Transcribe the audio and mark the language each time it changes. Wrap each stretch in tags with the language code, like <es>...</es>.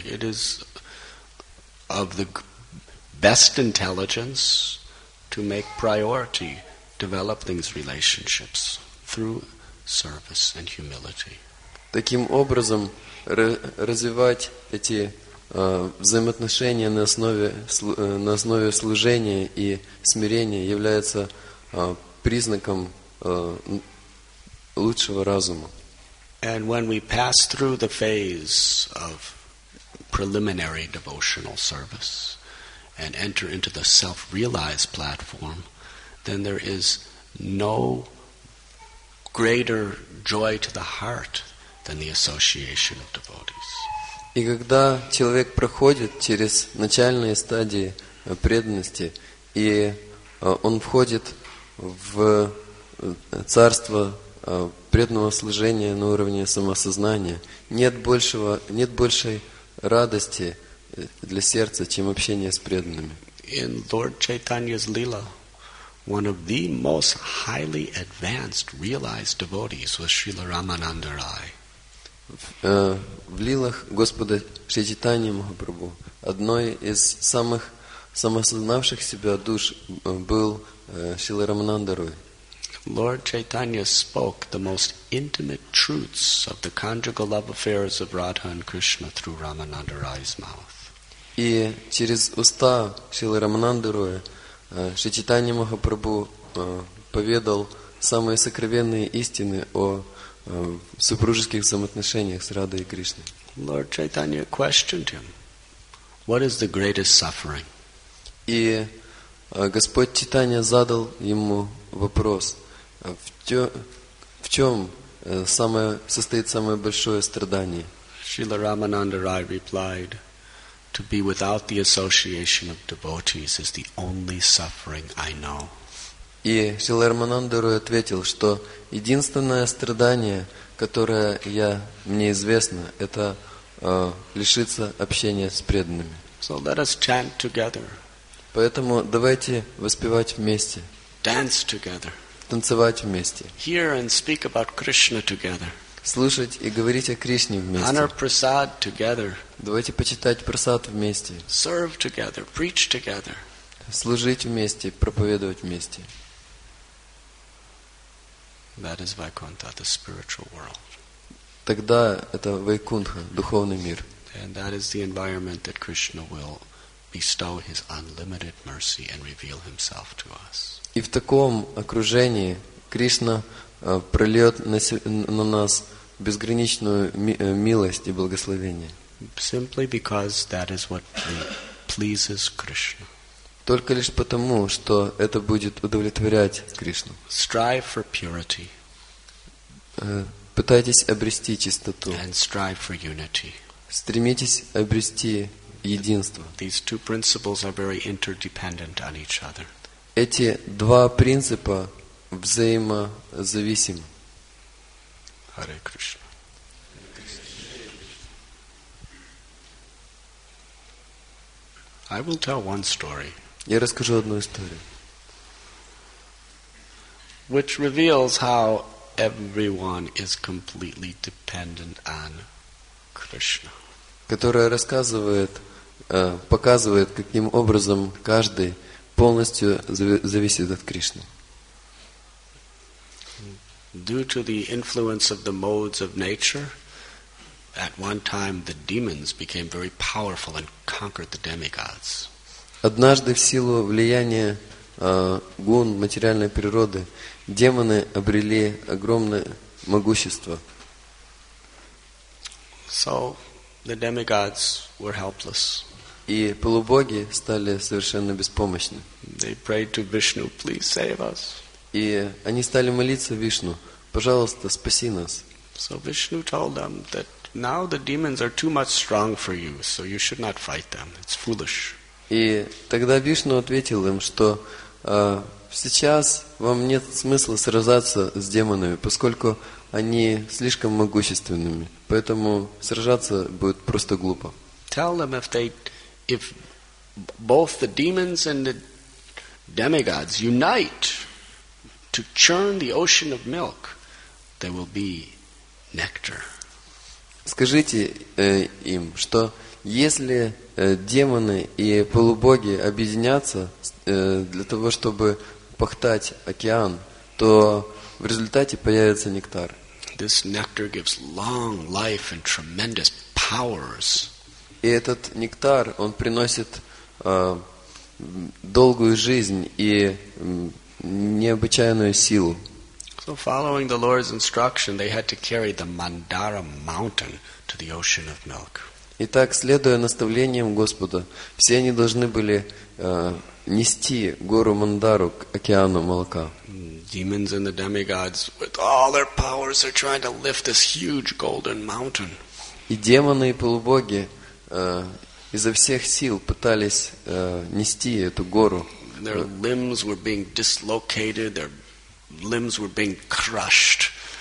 <en>It is of the best intelligence to make priority develop these relationships through service and humility.</en> <ru>Таким образом, развивать эти взаимоотношения на основе служения и смирения является признаком лучшего разума.</ru> <en>And when we pass through the phase of preliminary devotional service and enter into the self-realized platform, then there is no greater joy to the heart than the association of devotees.</en> <ru>И когда человек проходит через начальные стадии преданности, и он входит в царство преданного служения на уровне самосознания, нет большей радости для сердца, чем общение с преданными.</ru> <en>In Lord Chaitanya's Lila, one of the most highly advanced realized devotees was Srila Ramananda Rai.</en> <ru>В лилах Господа Шри Чайтаньи Махапрабху одной из самых самосознавших себя душ был Шрила Рамананда Рой.</ru> <en>Lord Chaitanya spoke the most intimate truths of the conjugal love affairs of Radha and Krishna through Ramananda Rai's mouth.</en> <ru>И через уста Шрила Рамананда Роя Шри Чайтаньи Махапрабху поведал самые сокровенные истины о в супружеских взаимоотношениях с Радой и Кришной.</ru> <en>Lord Chaitanya questioned him, what is the greatest suffering?</en> <ru>И Господь Чайтанья задал ему вопрос, в чем состоит самое большое страдание?</ru> <en>Srila Ramananda Rai replied, to be without the association of devotees is the only suffering I know.</en> <ru>И Шрила Рамананда Рой ответил, что единственное страдание, которое мне известно, это лишиться общения с преданными.</ru> <en>So let us chant together.</en> <ru>Поэтому давайте воспевать вместе.</ru> <en>Dance together.</en> <ru>Танцевать вместе.</ru> <en>Hear and speak about Krishna together.</en> <ru>слушать и говорить о Кришне вместе.</ru> <en>Honor prasad together.</en> <ru>Давайте почитать прасад вместе.</ru> <en>Serve together, preach together.</en> <ru>Служить вместе, проповедовать вместе.</ru> <en>That is Vaikuntha, the spiritual world.</en> <ru>Тогда это Вайкунтха, духовный мир.</ru> <en>And that is the environment that Krishna will bestow his unlimited mercy and reveal himself to us.</en> <ru>И в таком окружении Кришна прольет на нас безграничную милость и благословение.</ru> <en>Simply because that is what pleases Krishna.</en> <ru>Только лишь потому, что это будет удовлетворять Кришну.</ru> <en>Strive for purity.</en> <ru>Пытайтесь обрести чистоту.</ru> <en>And strive for unity.</en> <ru>Стремитесь обрести единство.</ru> <en>These two principles are very interdependent on each other.</en> <ru>Эти два принципа взаимозависимы. Харе Кришна.</ru> <en>I will tell one story.</en> <ru>Я расскажу одну историю.</ru> <en>Which reveals how everyone is completely dependent on Krishna.</en> <ru>Которая рассказывает, показывает, каким образом каждый полностью зависит от Кришны.</ru> <en>Due to the influence of the modes of nature, at one time the demons became very powerful and conquered the demigods.</en> <ru>Однажды в силу влияния гун материальной природы демоны обрели огромное могущество.</ru> <en>So the demigods were helpless.</en> <ru>И полубоги стали совершенно беспомощны.</ru> <en>They prayed to Vishnu, please save us.</en> <ru>И они стали молиться Вишну, пожалуйста, спаси нас.</ru> <en>So Vishnu told them that now the demons are too much strong for you, so you should not fight them. It's foolish.</en> <ru>И тогда Вишну ответил им, что сейчас вам нет смысла сражаться с демонами, поскольку они слишком могущественными, поэтому сражаться будет просто глупо.</ru> <en>Tell them if both the demons and the demigods unite to churn the ocean of milk, there will be nectar.</en> <ru>Скажите им, что если демоны и полубоги объединятся для того, чтобы пахтать океан, то в результате появится нектар.</ru> <en>This nectar gives long life and tremendous powers.</en> <ru>И этот нектар, он приносит долгую жизнь и необычайную силу.</ru> <en>So following the Lord's instruction, they had to carry the Mandara mountain to the ocean of milk.</en> <ru>Итак, следуя наставлениям Господа, все они должны были нести гору Мандару к океану молока.</ru> <en>Demons and the demigods, with all their powers, are trying to lift this huge golden mountain.</en> <ru>И демоны и полубоги изо всех сил пытались нести эту гору.</ru> <en>Their limbs were being dislocated. Their limbs were being crushed.</en>